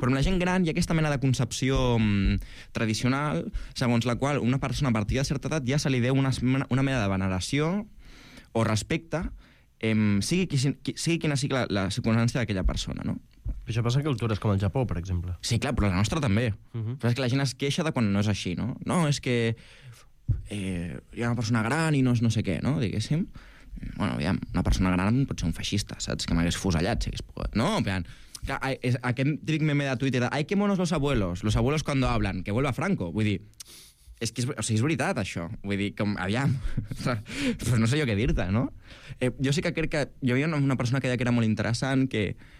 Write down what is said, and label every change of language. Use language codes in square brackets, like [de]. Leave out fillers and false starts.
[ca] Però amb la gent gran hi ha aquesta mena de concepció tradicional segons la qual una persona a partir de certa edat ja se li deu una mena de veneració o respecte, sigui quina sigui la circumstància d'aquella persona, no? Això passa en cultures com el Japó, per exemple. Sí, clar, però la nostra també. Uh-huh. Però és que la gent es queixa de quan no és així, no? No, és que hi ha una persona gran i no és no sé què, no, diguéssim. Bueno, aviam, una persona gran pot ser un feixista, saps? Que m'hagués fusellat, si hagués pogut. No, aviam, aquest típic meme de Twitter, [es] ai, que monos los abuelos cuando hablan, que vuelva Franco. [ca] Vull dir, és que és veritat, això. Vull dir, com, aviam, pues no sé jo què dir-te, no? Jo sí que crec que... Jo havia una persona que deia que era molt interessant, que...